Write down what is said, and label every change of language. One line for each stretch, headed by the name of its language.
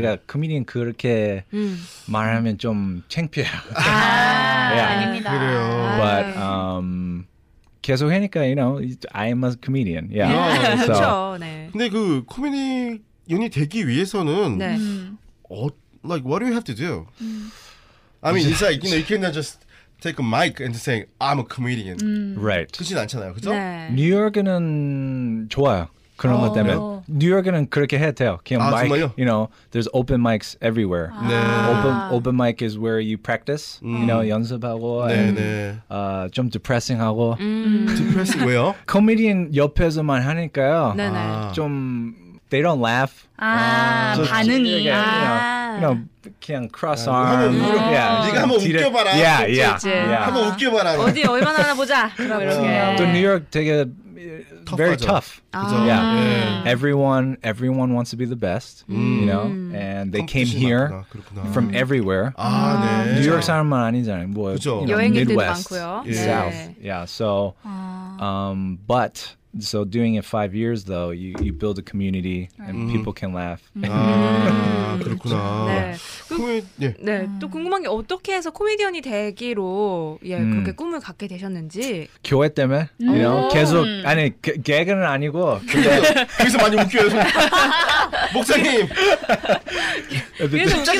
Korean: 내가 코미디언 그렇게 말하면 좀 창피해요. 아,
English: yeah.
Korean: 아닙니다. 그래요.
English: But
Korean: 계속 하니까,
English: you know, I'm a comedian. Yeah. No, so.
Korean: 그렇죠. 네. 근데 그 코미디언이 되기 위해서는 네.
English: Like what do you have to do? I mean, it's like you know, you cannot just take a mic and just say I'm a comedian. Right.
Korean: 그렇진 않잖아요. 그렇죠? 네. 뉴욕에는 좋아요. 그런 것 때문에
English: no.
Korean: 뉴욕에는 그렇게 해야 돼요. 그냥 아,
English: mic,
Korean: 정말요?
English: You know, there's open mics everywhere.
Korean: 아. 네.
English: Open mic is where you practice. You know,
Korean: 연습하고. 네,
English: and,
Korean: 네. 좀 depressing 하고. Depressing 왜요? 코미디언 옆에서만 하니까요. 네, 네. 좀
English: they don't laugh.
Korean: 아, 아. 반응이. 그냥, 아.
English: You know,
Korean: 그냥
English: cross arm.
Korean: 그러면, 네. 네가 한번 웃겨봐라.
English: Yeah, yeah.
Korean: 한번 웃겨봐라. 어디 얼마나 하나 보자. 그럼 이렇게. 또 뉴욕 되게
English: Very tough.
Korean: 그죠?
English: Yeah. Everyone wants to be the best, you know? And they came here
Korean: 맞구나. 그렇구나.
English: From everywhere.
Korean: 아, 네. New York 사람만 아니잖아요. 뭐, 그죠?
English: You know,
Korean: 여행객들 많고요.
English: South.
Korean: 네.
English: Yeah. So but so doing it 5 years though, you build a community and people can laugh.
Korean: 아, 그렇구나. 네. 또 궁금한 게 어떻게 해서 코미디언이 되기로 예, 그렇게 꿈을 갖게 되셨는지. 교회 때문에?
English: You know?
Korean: 계속 아니, 개그는 아니고. 그래서 많이 웃겨요. 좀. 목사님. 갑자기